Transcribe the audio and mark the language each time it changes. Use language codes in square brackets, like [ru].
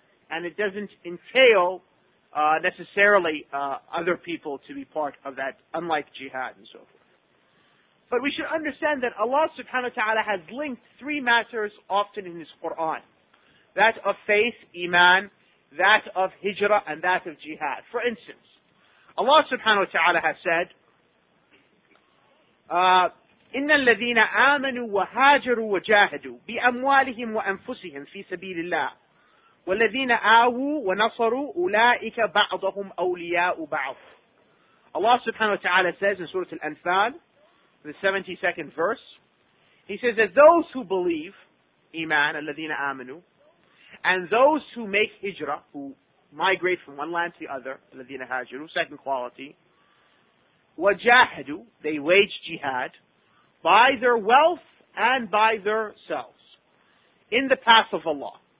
[en] And it doesn't entail necessarily other people to be part of that, unlike jihad and so forth. But we should understand that Allah subhanahu wa ta'ala has linked three matters often in His Qur'an. That of faith, iman, that of hijrah, and that of jihad. For instance, Allah subhanahu wa ta'ala has said, [ar] إِنَّ الَّذِينَ آمَنُوا وَهَاجَرُوا وَجَاهَدُوا بِأَمْوَالِهِمْ وَأَنفُسِهِمْ فِي سَبِيلِ اللَّهِ وَالَّذِينَ آوُوا وَنَصَرُوا أُولَٰئِكَ بَعْضَهُمْ أَوْلِيَاءُ بَعْضٍ. [en] Allah subhanahu wa ta'ala says in Surah Al-Anfal, the 72nd verse, He says that those who believe, iman, [ar] الَّذِينَ آمَنُوا, [en] and those who make hijrah, who migrate from one land to the other, [ar] الَّذِينَ هَاجِرُوا, [en] second quality, وَجَاهَدُوا, they wage jihad, by their wealth and by their selves, in the path of Allah.